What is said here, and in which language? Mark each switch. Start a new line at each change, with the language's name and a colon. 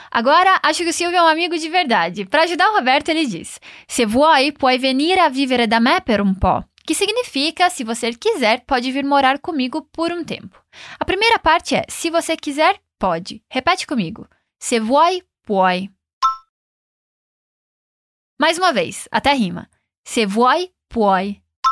Portuguese: Agora acho que o Silvio é um amigo de verdade. Para ajudar o Roberto, ele diz:
Italian: Se vuoi, puoi venire a vivere da me per un po'.
Portuguese: Que significa, se você quiser, pode vir morar comigo por um tempo. A primeira parte é: Se você quiser, pode. Repete comigo.
Italian: Se vuoi, puoi.
Portuguese: Mais uma vez, até rima.
Italian: Se vuoi, puoi.